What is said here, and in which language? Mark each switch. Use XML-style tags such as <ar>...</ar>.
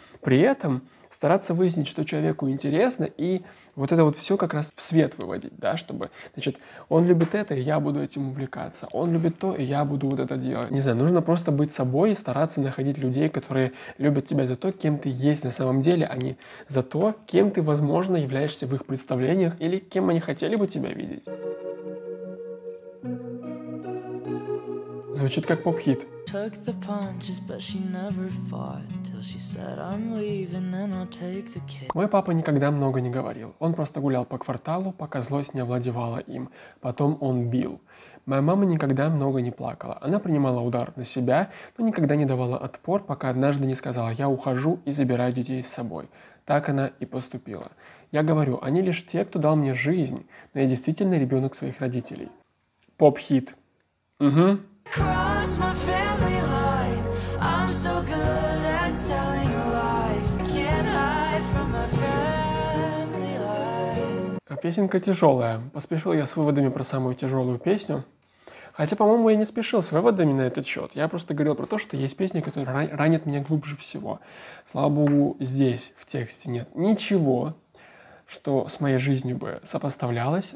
<ru>при этом стараться выяснить, что человеку интересно, и вот это вот все как раз в свет выводить, да, чтобы, значит, он любит это, и я буду этим увлекаться, он любит то, и я буду вот это делать. Не знаю, нужно просто быть собой и стараться находить людей, которые любят тебя за то, кем ты есть на самом деле, а не за то, кем ты, возможно, являешься в их представлениях или кем они хотели бы тебя видеть. Звучит как поп-хит.</ru> <en>Took the punches, but she never fought, till she said, I'm leaving, then I'll take the kid.</en> <ru>Мой папа никогда много не говорил. Он просто гулял по кварталу, пока злость не овладевала им. Потом он бил. Моя мама никогда много не плакала. Она принимала удар на себя, но никогда не давала отпор, пока однажды не сказала, я ухожу и забираю детей с собой. Так она и поступила. Я говорю, они лишь те, кто дал мне жизнь, но я действительно ребенок своих родителей. Поп-хит. Угу.</ru> <en>Cross my family line. I'm so good at telling lies. Can't hide from my family line.</en> <ru>Песенка тяжелая. Поспешил я с выводами про самую тяжелую песню. Хотя, по-моему, я не спешил с выводами на этот счет. Я просто говорил про то, что есть песни, которые ранят меня глубже всего. Слава богу, здесь в тексте нет ничего, что с моей жизнью бы сопоставлялось.</ru>